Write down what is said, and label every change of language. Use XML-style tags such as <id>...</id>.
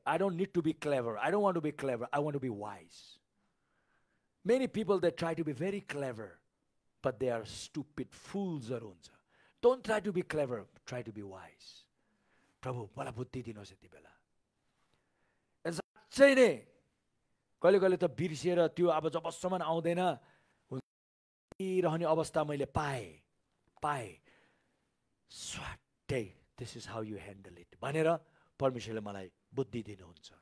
<en>I don't need to be clever, I don't want to be clever, I want to be wise. Many people they try to be very clever but they are stupid फुल्सहरू हुन्छ. Don't try to be clever, try to be wise.</en> <ne>प्रभु मलाई बुद्धि दिनुहोस् यति बेला. साँच्चै नै कहिले कहिले त बिर्सिएर त्यो अब जबसम्म आउँदैन रहने अवस्था मैले पाएँ स्वाटै,</ne> <en>this is how you handle it</en> <ne>भनेर परमेश्वरले मलाई बुद्धि दिनुहुन्छ.</ne>